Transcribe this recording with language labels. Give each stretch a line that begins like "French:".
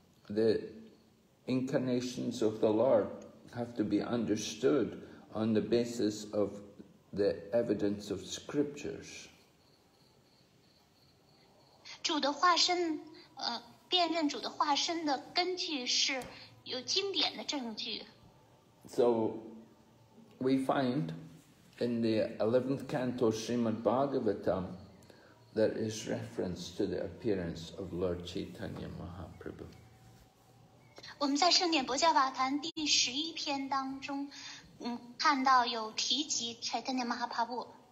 English: The incarnations of the Lord have to be understood on the basis of the evidence of scriptures.
Chinese: 主的化身辨认主的化身的根据是有经典的证据。
English: So, we find in the 11th canto Srimad Bhagavatam there is reference to the appearance of Lord Chaitanya Mahaprabhu.
Chinese: 我们在圣典薄伽伐坛第十一篇当中看到有提及 Chaitanya Mahaprabhu.